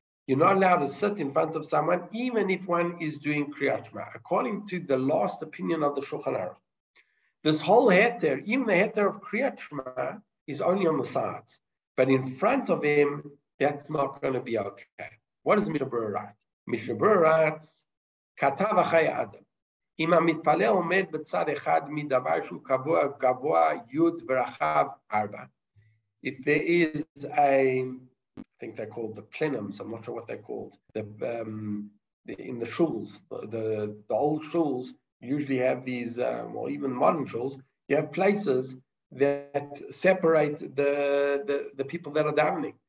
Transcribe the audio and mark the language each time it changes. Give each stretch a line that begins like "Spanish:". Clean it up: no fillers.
English: You're not allowed to sit in front of someone, even if one is doing kriyat shema, according to the last opinion of the Shulchan Aruch. This whole heter, even the heter of kriyat shema, is only on the sides. But in front of him, that's not going to be okay. What does Mishnah Berurah write? Mishnah Berurah writes, katav achay adam.
Hebrew: אם המתפלל עומד בצד אחד מדבר שהוא קבוע, גבוה, יוד ורחב, ארבע.
English: If there is a, I think they're called the plenums, I'm not sure what they're called, in the shuls, the old shuls usually have these, well, even modern shuls, you have places that separate the people that are davening.